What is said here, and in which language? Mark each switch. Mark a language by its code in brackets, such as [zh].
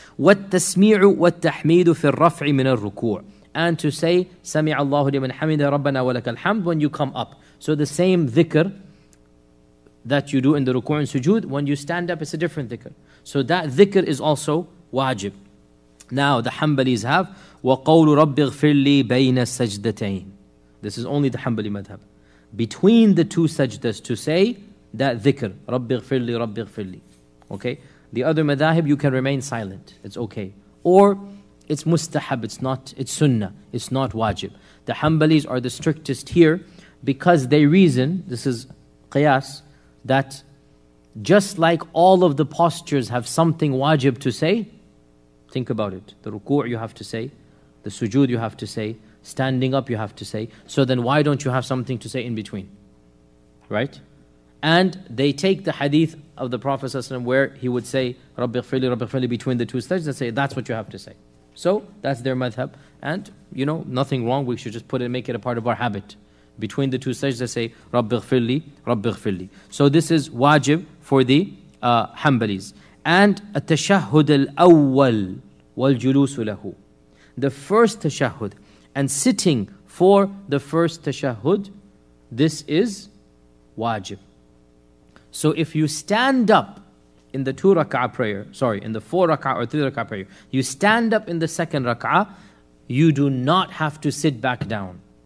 [ar] وَالتَّسْمِيعُ وَالتَّحْمِيدُ فِي الرَّفْعِ مِنَ الرُّكُوعِ. [en] And to say [ar] سَمِعَ اللَّهُ لِمَنْ حَمِدَ رَبَّنَا وَلَكَ الْحَمْدُ [en] when you come up. So the same dhikr that you do in the ruku' and sujood, when you stand up, it's a different dhikr. So that dhikr is also wajib. Now the Hanbalis have [ar] وَقَوْلُ رَبِّ اغْفِرْ لِي بَيْنَ السَّجْدَتَيْنِ. [en] This is only the Hanbali madhab. Between the two sajdas, to say that dhikr, Rabbi ghfirli, Rabbi ghfirli. Okay? The other madhab, you can remain silent. It's okay. Or it's mustahab, it's sunnah, it's not wajib. The Hanbalis are the strictest here because they reason, this is qiyas, that Just like all of the postures have something wajib to say, think about it. The ruku' you have to say, the sujood you have to say, standing up you have to say. So then why don't you have something to say in between? Right? And they take the hadith of the Prophet ﷺ where he would say, Rabbi ghfirli, between the two sajdas, and say, that's what you have to say. So that's their madhab. And, you know, nothing wrong. We should just put it, make it a part of our habit. Between the two sajdas, say, Rabbi ghfirli, Rabbi ghfirli. So this is wajib for the Hanbalis. And [ar] التشهد الأول والجلوس له. [en] The first tashahud. And sitting for the first tashahud, this is wajib. So if you stand up in the two raka'ah prayer, sorry, in the four raka'ah or three raka'ah prayer, you stand up in the second raka'ah, you do not have to sit back down.